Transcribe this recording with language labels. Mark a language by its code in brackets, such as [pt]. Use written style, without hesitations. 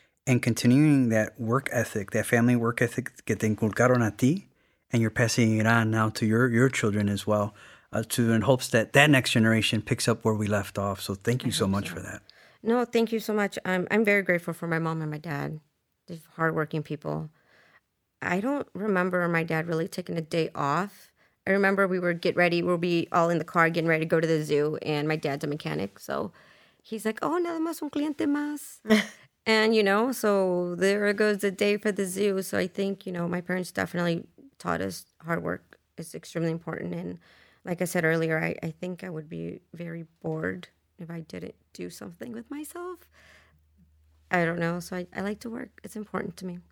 [en] And continuing that work ethic, that family work ethic [es] que te inculcaron a ti, [en] and you're passing it on now to your children as well, to in hopes that that next generation picks up where we left off. So thank you so much for that. No, thank you so much. I'm very grateful for my mom and my dad. They're hardworking people. I don't remember my dad really taking a day off. I remember we were get ready. We'll be all in the car getting ready to go to the zoo, and my dad's a mechanic. So he's like, oh, [es] nada más un cliente más. [en] And, you know, so there goes the day for the zoo. So I think, you know, my parents definitely taught us hard work is extremely important. And like I said earlier, I think I would be very bored if I didn't do something with myself. I don't know. So I like to work. It's important to me.